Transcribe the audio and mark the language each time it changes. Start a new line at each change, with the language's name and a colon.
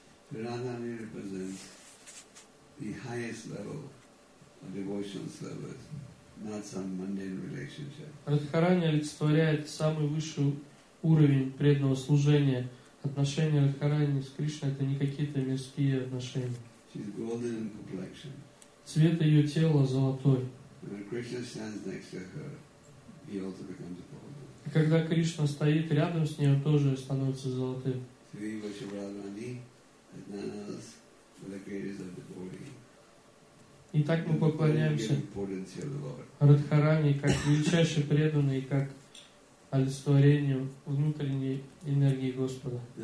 English: Radharani represents the highest level of devotional service not some mundane relationship.
Russian: Радхарани олицетворяет самый высший уровень преданного служения. Отношения Радхарани с Кришной — это не какие-то мирские отношения.
English: She's golden in complexion.
Russian: Цвет ее тела золотой.
English: When Krishna stands next to her, he also becomes golden.
Russian: И когда Кришна стоит рядом с ней, он тоже становится золотым.
English: Sri Vaishnavani Adnanas for the greatest of devotees.
Russian: И так мы поклоняемся Радхарани как величайшей преданной и как олицетворению внутренней энергии Господа.